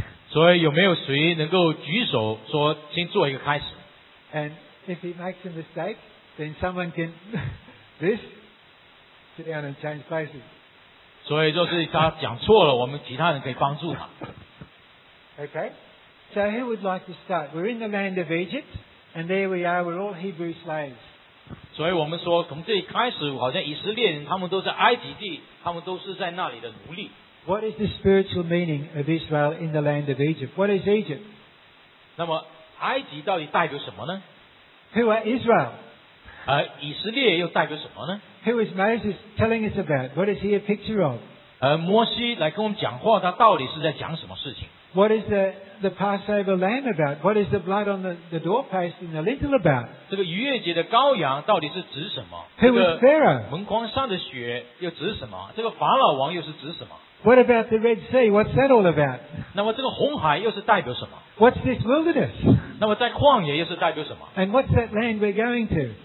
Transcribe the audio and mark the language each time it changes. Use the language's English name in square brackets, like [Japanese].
[Chinese] 所以有没有谁能够举手说先做一个开始 [English] And if he makes a mistake then someone can this sit down and change places [Chinese] 所以就是他讲错了我们其他人可以帮助他 [English] Okay So who would like to start? We're in the land of Egypt And there we are, we're all Hebrew slaves [Chinese] 所以我们说从这一开始好像以色列人他们都在埃及地他们都是在那里的奴隶 [English] What is the spiritual meaning of Israel in the land of Egypt? What is Egypt? [Chinese] 那么埃及到底代表什么呢 [English] Who are Israel? [Chinese] 以色列又代表什么呢 [English] Who is Moses telling us about? What is he a picture of? [Chinese] 摩西来跟我们讲话，他到底是在讲什么事情 [English] ？What is the Passover lamb about? What is the blood on the doorpost and the lintel about? [Chinese] 这个逾越节的羔羊到底是指什么 [English] ？Who is Pharaoh? [Chinese] 门框上的血又指什么？这个法老王又是指什么 [English] ？What about the Red Sea? What's that all about? [Chinese] 那么这个红海又是代表什么 [English] ？What's this wilderness? [Chinese] 那么在旷野又是代表什么 [English] ？And what's that land we're going to?